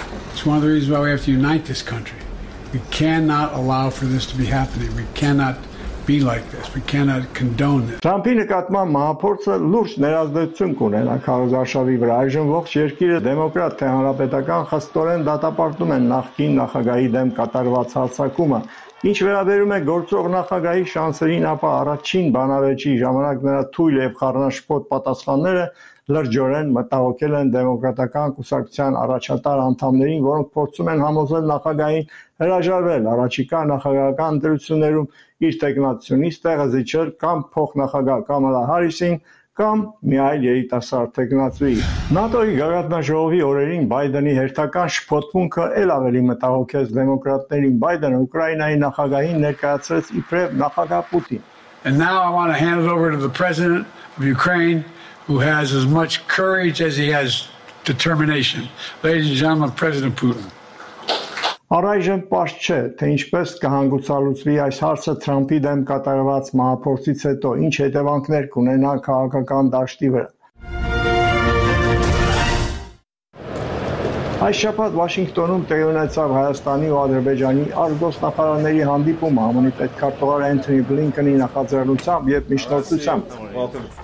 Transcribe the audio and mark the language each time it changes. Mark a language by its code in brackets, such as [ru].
[en] It's one of the reasons why we have to unite this country. We cannot allow for this to be happening. We cannot be like this. We cannot condone this. [hy] Թրամփի նկատմամբ մահապորձը լուրջ ներազդեցություն կունենա քաղաքարշավի վրա։ Այժմ ողջ երկիրը դեմոկրատ թե հանրապետական խստորեն դատապարտում են նախկին նախագահի դեմ կատարված հարձակումը։ Ինչ վերաբերում է գործող նախագահի շանսերին, ապա առաջին բանավեճի ժամանակ նրա թույլ և խառնաշփոթ պատասխանները լրջորեն մտահոգել են դեմոկրատական կուսակցության առաջատար անդամներին, որոնք փորձում են համոզել նախագահին հրաժարվել առաջիկա նախագահական ընտրություններում իր թեկնածուից տեղը զիջել կամ փոխնախագահ Կամալա Հարիսին կամ մի այլ երիտասարդ թեկնածուի։ ՆԱՏՕ-ի գագաթնաժողովի օրերին Բայդենի հերթական շփոթմունքը էլ ավելի մտահոգեց դեմոկրատներին։ Բայդենը Ուկրաինայի նախագահին ներկայացրեց իբրև նախագահ Պուտին։ [en] And now I want to hand it over to the president of Ukraine, who has as much courage as he has determination. Ladies and gentlemen, President Putin. [hy] Առայժմ պարզ չէ, թե ինչպես կհանգուցալուծվի այս հարցը Թրամփի դեմ կատարված մահապորձից հետո, ինչ հետևանքներ կունենա քաղաքական դաշտի վրա։ Այս շաբաթ Վաշինգտոնում տեղի ունեցավ Հայաստանի ու Ադրբեջանի արտգոստնախարարների հանդիպումը, ԱՄՆ-ի պետքարտուղար Էնթոնի Բլինքենի նախաձեռնությամբ և միջնորդությամբ։